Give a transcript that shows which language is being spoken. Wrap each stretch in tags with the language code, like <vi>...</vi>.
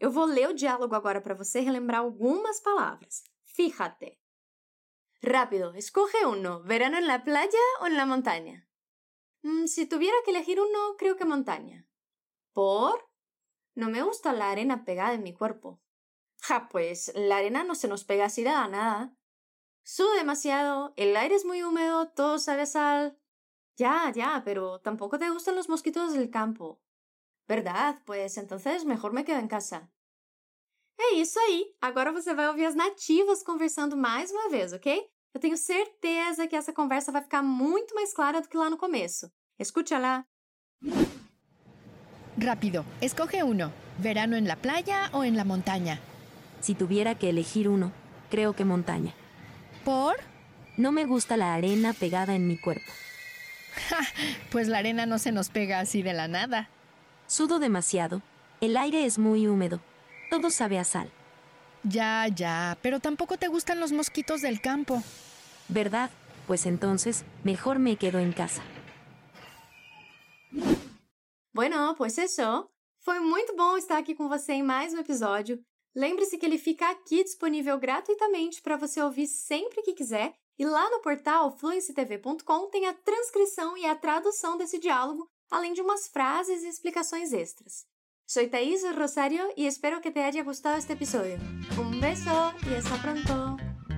<pt>Eu vou ler o diálogo agora para você relembrar algumas palavras.</pt> <es>Fíjate. Rápido, escoge uno. Verano en la playa o en la montaña? Si tuviera que elegir uno, creo que montaña. ¿Por? No me gusta la arena pegada en mi cuerpo. Ja, pues la arena no se nos pega así de la nada. Sudo demasiado, el aire es muy húmedo, todo sabe a sal. Ya, ya, pero tampoco te gustan los mosquitos del campo. ¿Verdad? Pues entonces mejor me quedo en casa.</es> <pt>É isso aí! Agora você vai ouvir as nativas conversando mais uma vez, ok? Eu tenho certeza que essa conversa vai ficar muito mais clara do que lá no começo. Escute lá!</pt> <es>Rápido, escoge uno. Verano en la playa o en la montaña. Si tuviera que elegir uno, creo que montaña. ¿Por? No me gusta la arena pegada en mi cuerpo. ¡Ja! Pues la arena no se nos pega así de la nada. Sudo demasiado. El aire es muy húmedo. Todo sabe a sal. Ya, ya. Pero tampoco te gustan los mosquitos del campo. ¿Verdad? Pues entonces, mejor me quedo en casa. Bueno, pues eso.</es> <pt>Foi muito bom estar aqui com você em mais um episódio. Lembre-se que ele fica aqui disponível gratuitamente para você ouvir sempre que quiser. E lá no portal fluencytv.com tem a transcrição e a tradução desse diálogo, além de umas frases e explicações extras.</pt> <es>Soy Thaís Rosario y espero que te haya gustado este episodio. Un beso y hasta pronto.</es>